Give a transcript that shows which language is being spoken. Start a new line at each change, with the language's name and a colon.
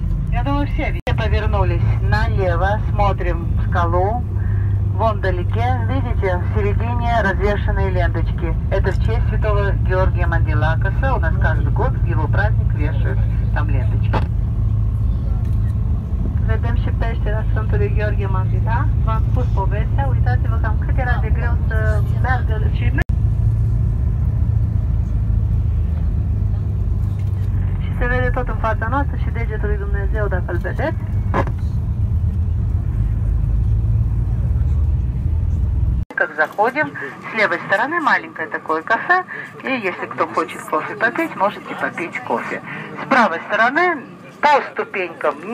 Russian: Я думаю, все видите, повернулись налево, смотрим скалу, вон далеке, видите, в середине развешанные ленточки. Это в честь святого Георгия Мандилакаса, у нас каждый год его праздник вешают. Там ленточки.
Romanian: Vedem și peștera Sfântului Gheorghe Mandila. V-am spus povestea. Uitați-vă cam cât era de greu să meargă și și se vede tot în fața noastră și degetul lui Dumnezeu, dacă îl vedeți.
Russian: Как заходим, с левой стороны маленькое такое кафе, и если кто хочет кофе попить, можете попить кофе. С правой стороны по ступенькам.